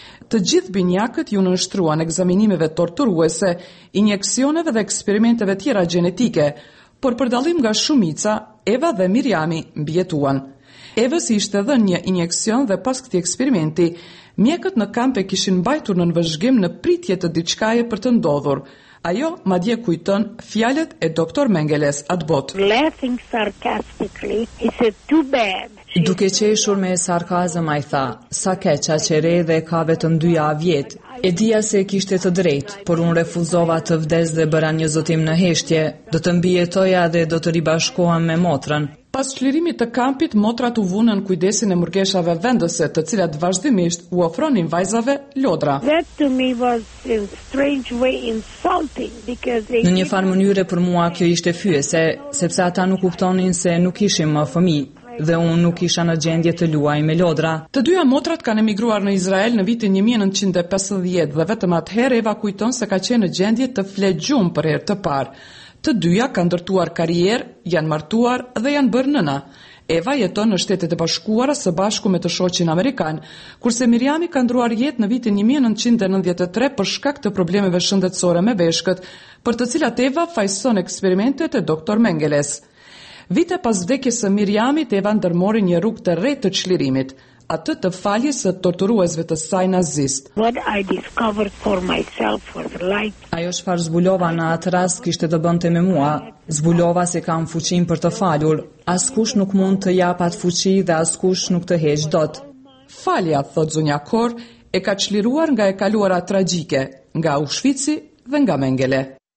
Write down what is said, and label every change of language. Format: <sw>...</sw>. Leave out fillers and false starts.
<sq>Të gjithë binjakët ju nënshtruan ekzaminimeve torturuese, injeksioneve dhe eksperimenteve tjera gjenetike, por për dallim nga shumica, Eva dhe Mirjami mbijetuan. Evës ishte dhënë një injekcion dhe pas këtij eksperimenti, mjekët në kampe kishin mbajtur në nënvëzhgim në pritje të diçkaje për të ndodhur. Ajo madje kujton fjalët e doktor Mengeles atë botë.</sq> <en>Laughing sarcastically, he said, "Too bad."</en> <sq>Duke qeshur me sarkazëm ai tha, sa keq që re dhe ka vetëm 2 javë vjet. E dija se kishte të drejtë, por unë refuzova të vdes dhe bëra një zotim në heshtje, do të mbijetoja dhe do të ribashkohem me motrën. Pas çlirimit të kampit, motrat u vunën kujdesin e mërgeshave vendose, të cilat vazhdimisht u ofronin vajzave lodra.</sq> <en>That to me was in strange way insulting because they...</en> <sq>Në një farë mënyre për mua kjo ishte fyese, sepse ata nuk kuptonin se nuk ishim më fëmijë. Dhe unë nuk isha në gjendje të luaj me lodra. Të dyja motrat kanë emigruar në Izrael në vitin 1950 dhe vetëm atëherë Eva kujton se ka qenë në gjendje të fle gjumë për herë të parë. Të dyja kanë ndërtuar karrierë, janë martuar dhe janë bërë nëna. Eva jeton në Shtetet e Bashkuara së bashku me të shoqin amerikan, kurse Miriami ka ndruar jetë në vitin 1993 për shkak të problemeve shëndetësore me veshkët, për të cilat Eva fajson eksperimentet e doktor Mengeles. Vite pas vdekjes së Miriamit, Eva ndërmori një rrugë të re të çlirimit, atë të faljes së torturuesve të saj nazist.</sq> <en>What I discovered for myself for the life.</en> <sq>Ajo çfarë zbulova në atë rast kishte të bënte me mua. Zbulova se kam fuqinë për të falur. Askush nuk mund të jap atë fuqi dhe askush nuk të heq dot. Falja, thot zonja Kor, e ka çliruar nga e kaluara tragjike, nga Auschwitz-i dhe nga Mengele.</sq>